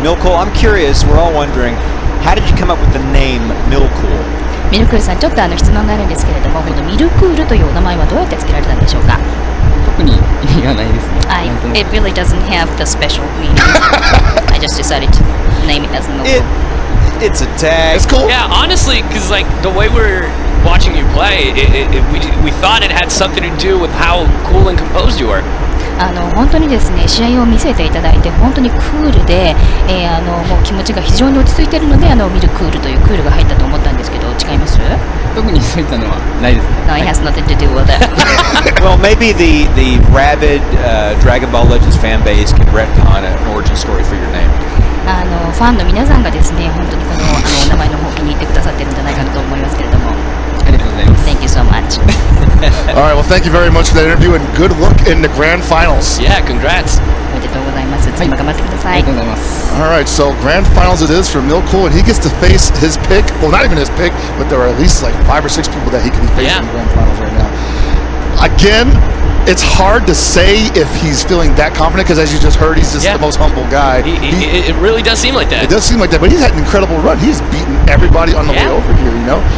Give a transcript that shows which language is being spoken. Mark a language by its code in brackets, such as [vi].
[en] Milkool, I'm curious, we're all wondering, how did you come up with the name Milkool? [ja] Milkool さん、ちょっとあの質問があるんですけれども、このミルクールというお名前はどうやって付けられたんでしょうか？特に意味がないですね。 [en] It really doesn't have the special meaning. I just decided to name it as Milkool. It's a tag. It's cool. Yeah, honestly, because like the way we're watching you play, we thought it had something to do with how cool and composed you were. [ja] あの本当にですね、試合を見せていただいて本当にクールで、あのもう気持ちが非常に落ち着いているので、あのミルクールというクールが入ったと思ったんですけど、違います？特にそういったのはないですね。 [en] No, it has nothing to do with it. Well, maybe the rabid Dragon Ball Legends fan base can retcon an origin story for your name. [ja] あのファンの皆さんがですね、本当にこのお名前の方気に入ってくださってるんじゃないかなと思いますけれども。ありがとうございます。 [en] Thank you so much. All right, well, thank you very much for the interview and good luck in the grand finals. Yeah, congrats. [ja] おめでとうございます。次も頑張ってください。ありがとうございます。 [en] All right, so grand finals it is for Milkool and he gets to face his pick. Well, not even his pick, but there are at least like five or six people that he can face in the grand finals right now. Again. It's hard to say if he's feeling that confident because as you just heard, he's just the most humble guy. It really does seem like that. It does seem like that, but he's had an incredible run. He's beaten everybody on the way over here, you know?